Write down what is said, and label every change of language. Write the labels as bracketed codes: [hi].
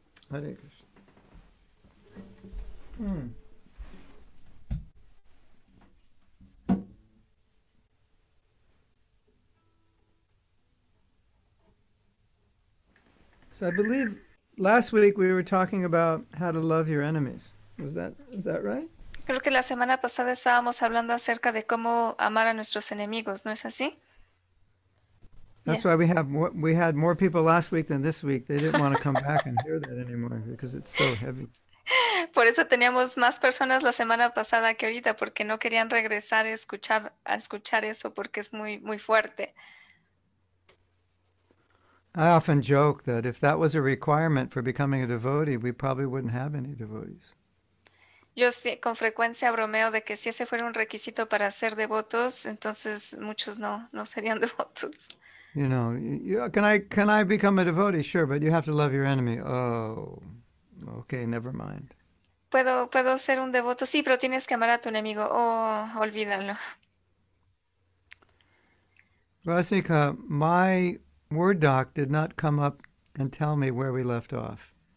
[en] Hare Krishna. So I believe last week we were talking about how to love your enemies. Is that right? [es] Creo que la semana pasada estábamos hablando acerca de cómo amar a nuestros enemigos, ¿no es así? [en] That's why we had more people last week than this week. They didn't want to come back and hear that anymore because it's so heavy. [es] Por eso teníamos más personas la semana pasada que ahorita porque no querían regresar a escuchar eso porque es muy muy fuerte. [en] I often joke that if that was a requirement for becoming a devotee, we probably wouldn't have any devotees. [es] Yo sí, con frecuencia bromeo de que si ese fuera un requisito para ser devotos, entonces muchos no serían devotos. [en] You know, can I become a devotee? Sure, but you have to love your enemy. Oh, okay, never mind. [es] Puedo ser un devoto, sí, pero tienes que amar a tu enemigo. Oh, olvídalo. [en] Rasika, my word doc did not come up and tell me where we left off.